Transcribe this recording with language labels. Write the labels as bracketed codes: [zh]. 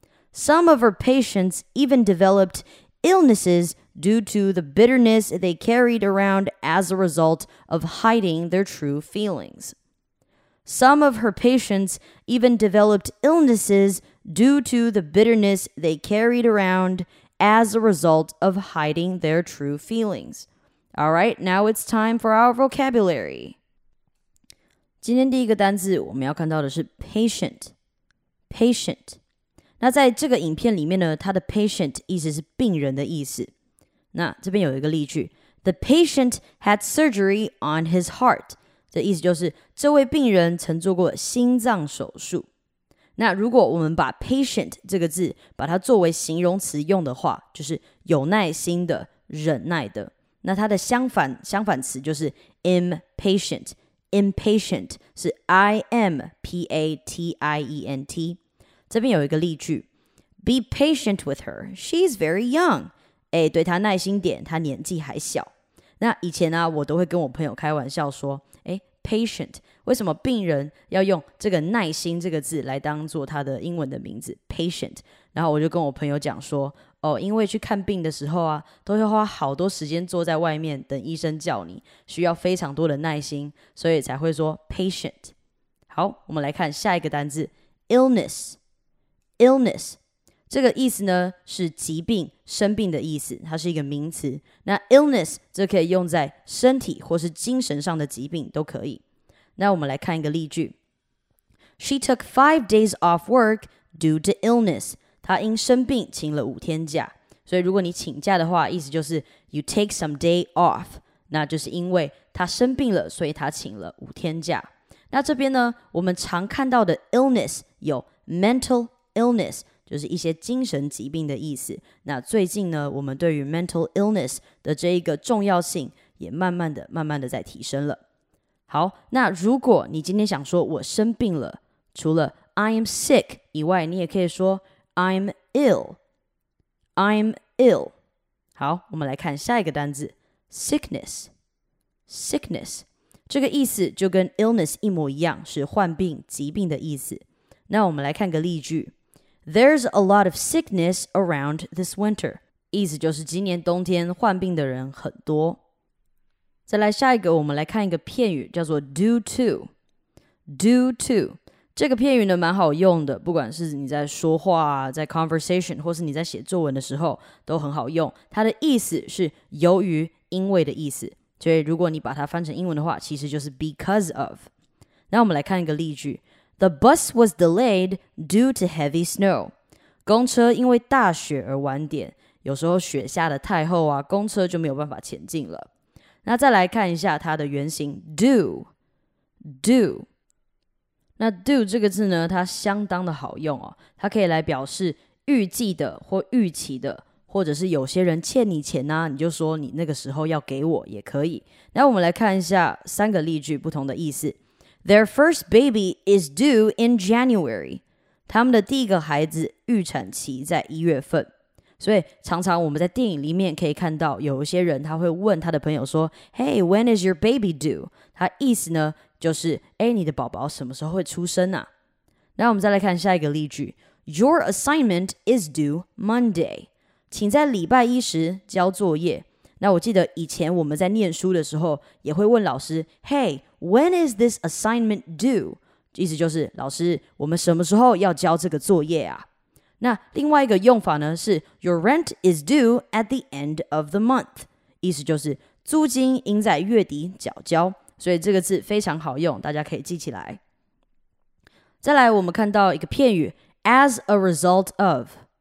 [en] Some of her patients even developed illnesses due to the bitterness they carried around as a result of hiding their true feelings. Some of her patients even developed illnesses due to the bitterness they carried around as a result of hiding their true feelings. All right, now it's time for our vocabulary. [zh] 今天第一个单字我们要看到的是 patient. [en] Patient. [zh] 那在这个影片里面呢，它的 patient 意思是病人的意思。那这边有一个例句， [en] The patient had surgery on his heart. [zh] 这意思就是这位病人曾做过心脏手术。那如果我们把 patient 这个字把它作为形容词用的话，就是有耐心的、忍耐的。那它的相反词就是 impatient。 [en] impatient 是 impatient。 [zh] 这边有一个例句 [en] ，Be patient with her. She's very young. [zh] 哎，对她耐心点，她年纪还小。那以前呢，我都会跟我朋友开玩笑说，哎。 Patient, 为什么病人要用这个耐心这个字来当做他的英文的名字 patient? 然后我就跟我朋友讲说，哦，因为去看病的时候啊，都会花好多时间坐在外面等医生叫你，需要非常多的耐心，所以才会说 patient。好，我们来看下一个单字 illness。illness 这个意思呢是疾病、生病的意思，它是一个名词。那 illness 这可以用在身体或是精神上的疾病都可以。那我们来看一个例句 [en] She took 5 days off work due to illness. [zh] 她因生病请了5天假。所以如果你请假的话，意思就是 [en] You take some day off. [zh] 那就是因为她生病了，所以她请了5天假。那这边呢，我们常看到的 illness 有 mental illness，就是一些精神疾病的意思。那最近呢，我们对于 mental illness 的这一个重要性也慢慢的在提升了。好，那如果你今天想说我生病了，除了 [en] I'm sick [zh] 以外，你也可以说 [en] I'm ill。 [zh] I'm ill。好，我们来看下一个单字 sickness。sickness 这个意思就跟 illness 一模一样，是患病、疾病的意思。那我们来看个例句， [en] There's a lot of sickness around this winter. [zh] 意思就是今年冬天患病的人很多。再来下一个，我们来看一个片语，叫做 due to。 due to 这个片语呢，蛮好用的，不管是你在说话、在 conversation 或是你在写作文的时候，都很好用。它的意思是由于、因为的意思。所以如果你把它翻成英文的话，其实就是 [en] because of。 [zh] 那我们来看一个例句。 [en] The bus was delayed due to heavy snow. [zh] 公车因为大雪而晚点，有时候雪下的太厚啊，公车就没有办法前进了。那再来看一下它的原型 do。那 do 这个字呢，它相当的好用哦，它可以来表示预计的或预期的，或者是有些人欠你钱啊，你就说你那个时候要给我也可以。那我们来看一下三个例句不同的意思。 [en] Their first baby is due in January. [zh] 他们的第一个孩子预产期在一月份。所以常常我们在电影里面可以看到有一些人他会问他的朋友说 [en] Hey, when is your baby due? [zh] 他意思呢就是哎，你的宝宝什么时候会出生啊？那我们再来看下一个例句。 [en] Your assignment is due Monday. [zh] 请在礼拜一时交作业。那我记得以前我们在念书的时候也会问老师 [en] Hey, when is this assignment due? [zh] 意思就是老师我们什么时候要交这个作业啊那另外一个用法呢是 [en] Your rent is due at the end of the month [zh] 意思就是租金应在月底缴交所以这个字非常好用大家可以记起来再来我们看到一个片语 [en] As a result of